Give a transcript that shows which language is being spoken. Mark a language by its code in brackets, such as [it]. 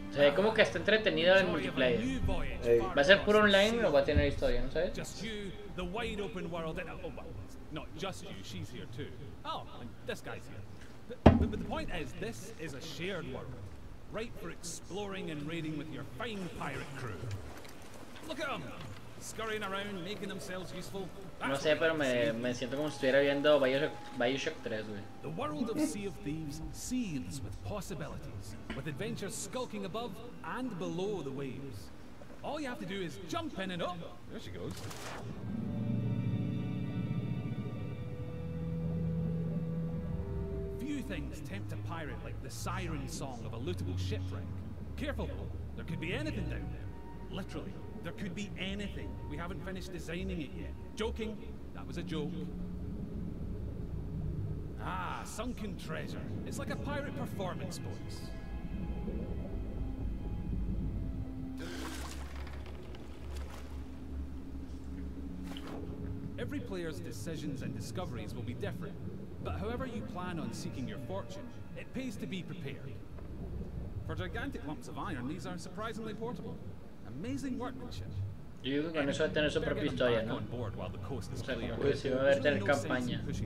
[es] O sea, como que está entretenido en multiplayer. Hey. ¿Va a ser puro online o va a tener historia, no sabes? [en] Just you, the wide open world. And, oh, well, not just you, she's here too. Oh, and this guy's here. But the point is, this is a shared world. Right for exploring and raiding with your fine pirate crew. Look at them, scurrying around, making themselves useful. [es] No sé, pero me siento como si estuviera viendo BioShock 3, güey. [en] The world of Sea of Thieves seethes with possibilities, with adventures skulking above and below the waves. All you have to do is jump in and up. There she goes. Few things tempt a pirate like the siren song of a lootable shipwreck. Careful, there could be anything down there. Literally, there could be anything. We haven't finished designing it yet. Joking, that was a joke. Ah, sunken treasure. It's like a pirate performance voice. Every player's decisions and discoveries will be different. But however you plan on seeking your fortune, it pays to be prepared. For gigantic lumps of iron, these are surprisingly portable. Amazing workmanship. [es] Yo creo que con eso va a tener su propia historia, ¿no? O sea, como que si va a haber tener campaña.